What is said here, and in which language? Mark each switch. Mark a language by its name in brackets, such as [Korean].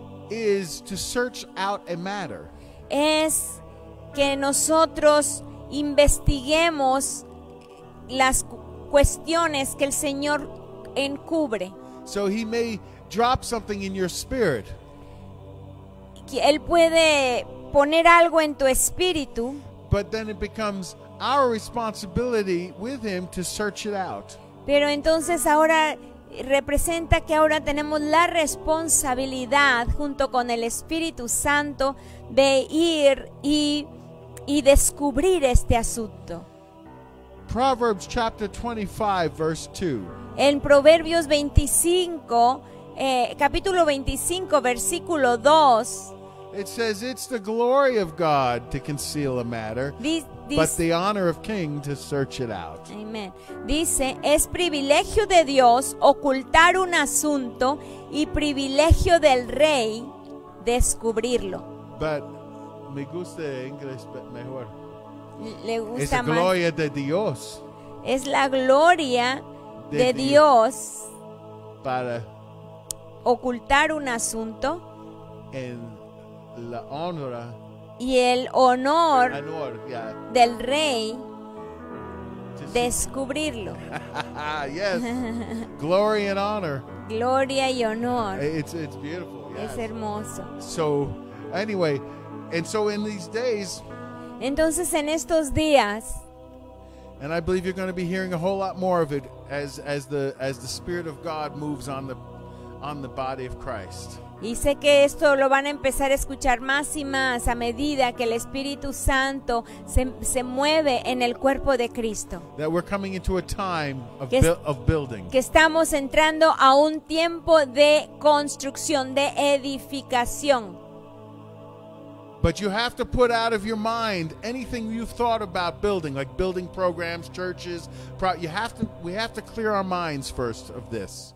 [English] is to search out a matter. [Spanish] Es que nosotros investiguemos las cuestiones que el Señor encubre. [English] So he may drop something in your spirit. [Spanish] Él puede poner algo en tu espíritu. [English] But then it becomes our responsibility with him to search it out. [Spanish] Pero entonces ahora representa que ahora tenemos la responsabilidad junto con el Espíritu Santo de ir y descubrir este asunto. [English] Proverbs chapter 25 verse 2. [Spanish] En Proverbios 25, capítulo 25 versículo 2. [English] It says it's the glory of God to conceal a matter, but the honor of king to search it out. Amen. [Spanish] Dice, es privilegio de Dios ocultar un asunto y privilegio del rey descubrirlo. But me gusta el inglés mejor. Le gusta es la gloria de Dios. Es la gloria de Dios para ocultar un asunto en la honra y el honor, yeah, del rey descubrirlo. [English] Yes, glory and honor. [Spanish] Gloria y honor. [English] It's beautiful. Yes. [Spanish] Es hermoso. [English] So, anyway, and so in these days. [Spanish] Entonces en estos días. [English] And I believe you're going to be hearing a whole lot more of it as the Spirit of God moves on the body of Christ. [Spanish] Y sé que esto lo van a empezar a escuchar más y más a medida que el Espíritu Santo se mueve en el cuerpo de Cristo. [English] That we're coming into a time of building. [Spanish] Que estamos entrando a un tiempo de construcción, de edificación. [English] But you have to put out of your mind anything you've thought about building, like building programs, churches. We have to clear our minds first of this.